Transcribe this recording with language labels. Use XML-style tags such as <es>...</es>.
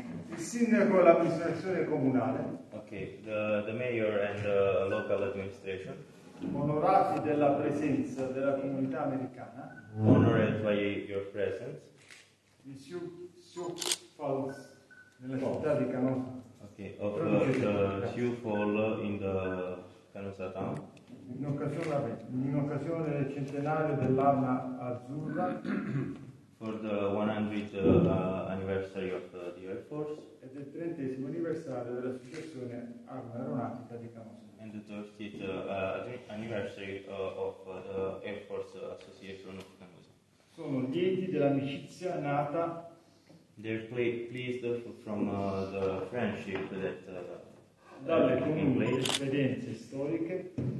<it>Il sindaco e l'amministrazione comunale.</it> <en>Ok, the mayor and the local administration.</en> <it>Onorati della presenza della comunità americana.</it> <en>Honored by your presence.</en> <it>Di Sioux Falls, nella città di Canosa.</it> <en>Ok, of the Sioux Falls in the Canosa town.</en> <it>In occasione del centenario dell'Arma Azzurra,</it> <en>for the 100th anniversary of the Air Force,</en> <it>e del 30th anniversario dell'associazione Arma Aeronautica di Canosa,</it> <en>and the 30th anniversary of the Air Force Association of Canosa.</en> <it>Sono lieti dell'amicizia nata.</it> <en>They're pleased from the friendship that.</en> <it>Dalle comuni esperienze storiche.</it>